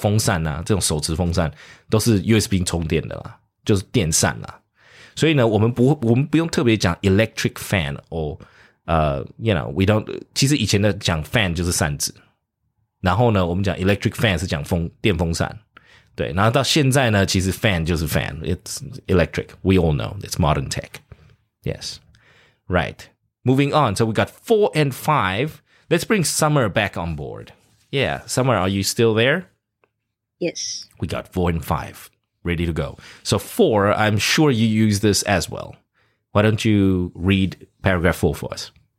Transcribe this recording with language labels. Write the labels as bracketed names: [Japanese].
[Chinese] 所以通常呢，我们现在这种小风扇啊，这种手持风扇都是 USB 充电的啦，就是电扇啦。所以呢，我们不用特别讲 [English] electric fan or you know we don't. [Chinese] 其实以前的讲 fan 就是扇子，然后呢，我们讲 electric fan 是讲电风扇，对。然后到现在呢，其实 fan 就是 fan. [English] It's electric. We all know it's modern tech. Yes, right. Moving on. So we got 4 and 5. Let's bring Summer back on board. Yeah, Summer, are you still there? Yes. We got 4 and 5. Ready to go. So 4, I'm sure you use this as well. Why don't you read paragraph 4 for us?